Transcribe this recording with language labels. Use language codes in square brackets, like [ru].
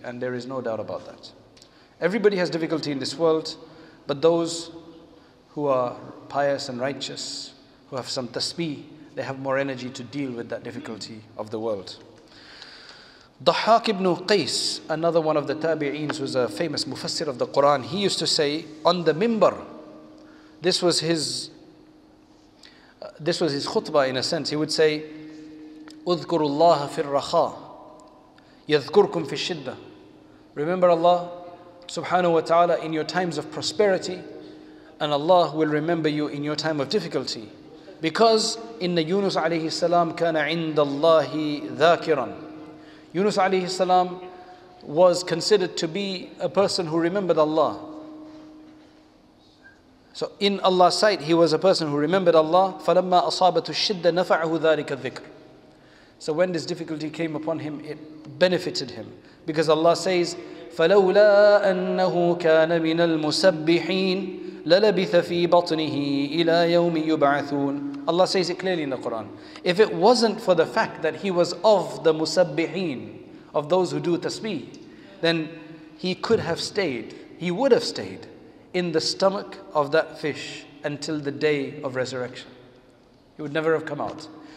[en] And there is no doubt about that. Everybody has difficulty in this world, but those who are pious and righteous, who have some tasbih, they have more energy to deal with that difficulty of the world. Dhahhak ibn Qais, another one of the tabi'eens, was a famous mufassir of the Quran. He used to say, on the mimbar, this was his khutbah in a sense. He would say, [ar] اذكروا الله في الرخاء يذكركم في الشدة. [en] Remember Allah subhanahu wa ta'ala in your times of prosperity, and Allah will remember you in your time of difficulty. Because in the Yunus alayhi salam [ar] كان عند الله ذاكرا. [en] Yunus alayhi salam was considered to be a person who remembered Allah. So in Allah's sight, he was a person who remembered Allah. [ar] فَلَمَّا أَصَابَتُ الشِّدَّ نَفَعَهُ ذَٰلِكَ الذِّكْرِ. [en] So when this difficulty came upon him, it benefited him. Because Allah says, [ar] فَلَوْلَا أَنَّهُ كَانَ مِنَ الْمُسَبِّحِينَ لَلَبِثَ فِي بَطْنِهِ إِلَىٰ يَوْمِ يُبْعَثُونَ. [en] Allah says it clearly in the Quran. If it wasn't for the fact that he was of the musabbihin, of those who do tasbih, then he could have stayed, he would have stayed in the stomach of that fish until the day of resurrection. He would never have come out.